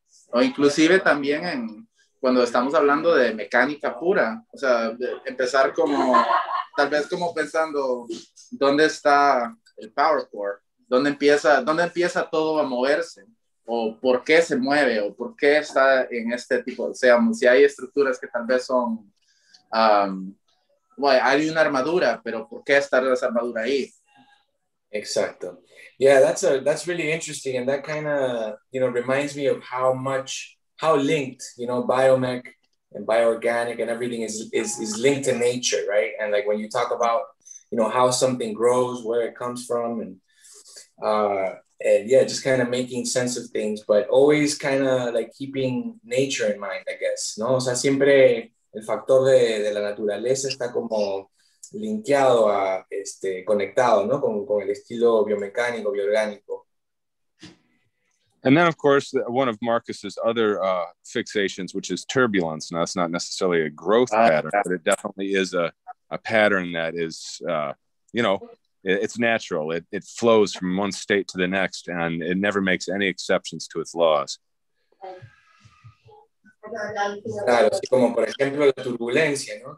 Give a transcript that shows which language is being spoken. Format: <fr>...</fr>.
<es>O inclusive también en... cuando estamos hablando de mecánica pura, o sea, empezar como, tal vez como pensando, ¿dónde está el power core? ¿Dónde empieza todo a moverse? ¿O por qué se mueve? ¿O por qué está en este tipo? O sea, si hay estructuras que tal vez son, bueno, hay una armadura, pero ¿por qué está esa armadura ahí? Exacto.</es> <en>Yeah, that's really interesting, and that kind of, you know, reminds me of how linked, you know, biomech and bioorganic and everything is linked to nature, right? And like when you talk about, you know, how something grows, where it comes from, and yeah, just kind of making sense of things, but always kind of like keeping nature in mind, I guess, ¿no?</en> <es>O sea, siempre el factor de la naturaleza está como linkeado a, conectado, ¿no? Con el estilo biomecánico, bioorgánico.</es> <en>And then, of course, one of Marcus's other fixations, which is turbulence. Now, that's not necessarily a growth pattern, but it definitely is a pattern that is, you know, it's natural. It flows from one state to the next, and it never makes any exceptions to its laws.</en> <es>Claro, sí, como por ejemplo la turbulencia, ¿no?</es>